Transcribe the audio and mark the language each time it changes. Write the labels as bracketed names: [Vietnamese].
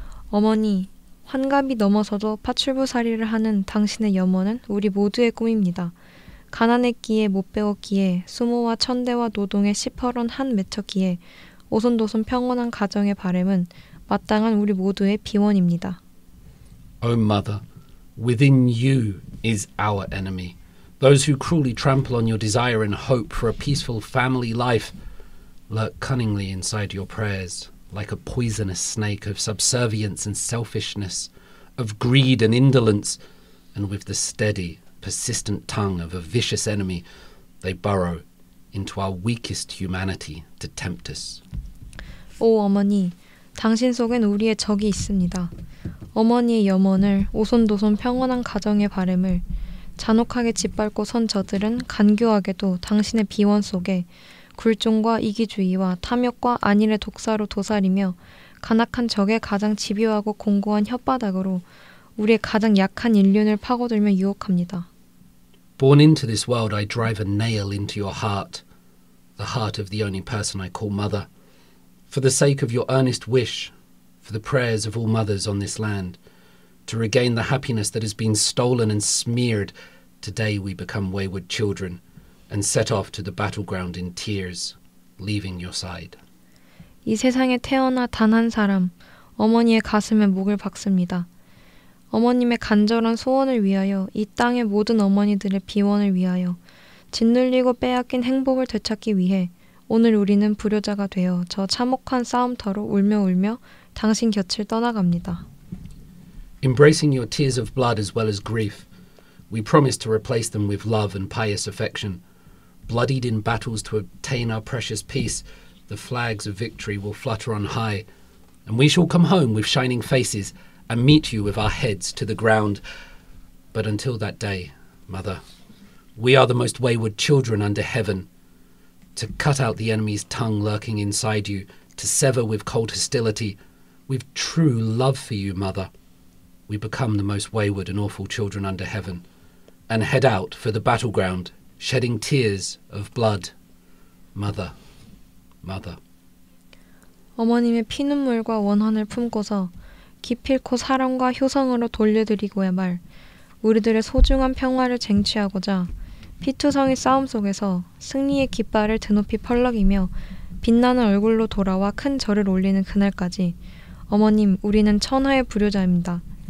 [Korean] 어머니, 환갑이 넘어서도 파출부 살이를 하는 당신의 염원은 우리 모두의 꿈입니다. 가난했기에 못 배웠기에 수모와 천대와 노동에 시퍼런 한 맺혔기에 오손도손 평온한 가정의 바람은 마땅한 우리 모두의 비원입니다. [English] Oh mother, within you is our enemy. Those who cruelly trample on your desire and hope for a peaceful family life lurk cunningly inside your prayers, like a poisonous snake of subservience and selfishness, of greed and indolence, and with the steady, persistent tongue of a vicious enemy, they burrow into our weakest humanity to tempt us. [Korean] 오 어머니, 당신 속엔 우리의 적이 있습니다. 어머니의 염원을 오손도손 평온한 가정의 바람을 잔혹하게 짓밟고 선 저들은 간교하게도 당신의 비원 속에 굴종과 이기주의와 탐욕과 안일의 독사로 도사리며 간악한 적의 가장 집요하고 공고한 혓바닥으로 우리의 가장 약한 인륜을 파고들며 유혹합니다. [English] Born into this world, I drive a nail into your heart, the heart of the only person I call mother. For the sake of your earnest wish, for the prayers of all mothers on this land, to regain the happiness that has been stolen and smeared, today we become wayward children and set off to the battleground in tears, leaving your side. [Korean] 이 세상에 태어나 단 한 사람, 어머니의 가슴에 목을 박습니다. 어머님의 간절한 소원을 위하여 이 땅의 모든 어머니들의 비원을 위하여 짓눌리고 빼앗긴 행복을 되찾기 위해 오늘 우리는 불효자가 되어 저 참혹한 싸움터로 울며 당신 곁을 떠나갑니다. [English] Embracing your tears of blood as well as grief, we promise to replace them with love and pious affection. Bloodied in battles to obtain our precious peace, the flags of victory will flutter on high, and we shall come home with shining faces and meet you with our heads to the ground. But until that day, mother, we are the most wayward children under heaven. To cut out the enemy's tongue lurking inside you, to sever with cold hostility, with true love for you, mother, we become the most wayward and awful children under heaven, and head out for the battleground, shedding tears of blood. Mother, mother. [Korean] 어머님의 피눈물과 원한을 품고서 기필코 사랑과 효성으로 돌려드리고야 말 우리들의 소중한 평화를 쟁취하고자 피투성이 싸움 속에서 승리의 깃발을 드높이 펄럭이며 빛나는 얼굴로 돌아와 큰 절을 올리는 그날까지 어머님 우리는 천하의 불효자입니다.